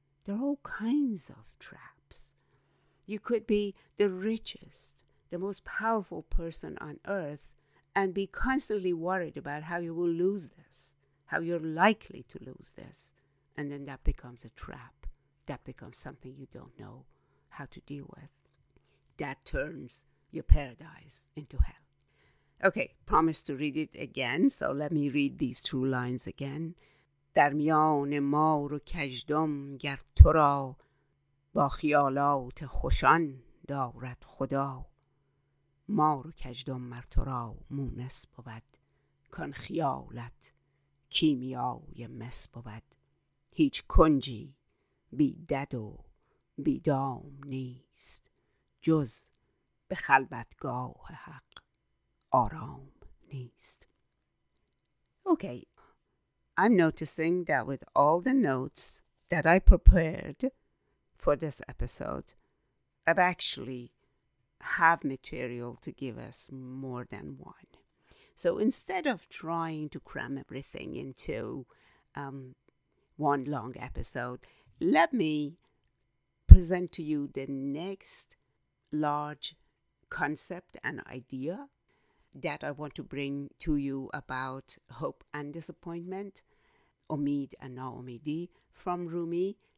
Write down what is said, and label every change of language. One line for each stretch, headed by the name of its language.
English: There are all kinds of traps. You could be the richest, the most powerful person on earth, and be constantly worried about how you will lose this, how you're likely to lose this. And then that becomes a trap. That becomes something you don't know how to deal with. That turns your paradise into hell. Okay, promise to read it again. So let me read these two lines again.
Persian: در میان مار و کژدم گر تو را با خیالات خوشان دارد خدا، مار و کژدم مر تو را مونس بود، کان خیالت کیمیای مس بود. هیچ کنجی بی دد و بی دام نیست، جز به خلوتگاه حق آرام نیست.
English: Okay, I'm noticing that with all the notes that I prepared for this episode, I've actually have material to give us more than one. So instead of trying to cram everything into one long episode, let me present to you the next large concept and idea that I want to bring to you about hope and disappointment, Omid and Naomidi from Rumi.